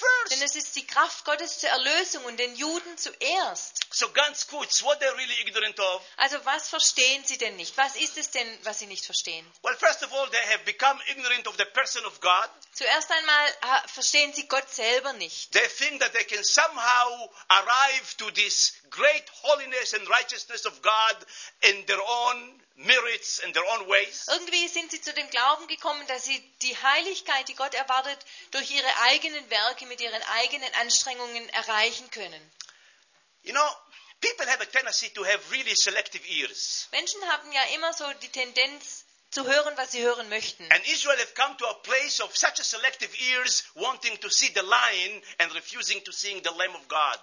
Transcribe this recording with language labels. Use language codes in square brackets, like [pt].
[de] Denn es ist die Kraft Gottes zur Erlösung und den Juden zuerst. So ganz kurz, [en] what they're really ignorant of. [de] Also was verstehen sie denn nicht? Was ist es denn, was sie nicht verstehen? [en] Well, first of all, they have become ignorant of the person of God. [de] Zuerst einmal verstehen sie Gott selber nicht. [en] They think that they can somehow arrive to this great holiness and righteousness of God in their own merits and their own ways. [de] Irgendwie sind sie zu dem Glauben gekommen, dass sie die Heiligkeit, die Gott erwartet, durch ihre eigenen Werke, mit ihren eigenen Anstrengungen erreichen können. [en] You know, people have a tendency to have really selective ears. [de] Menschen haben ja immer so die Tendenz, zu hören, was sie hören möchten. [en] And Israel have come to a place of such a selective ears, wanting to see the lion and refusing to see the Lamb of God.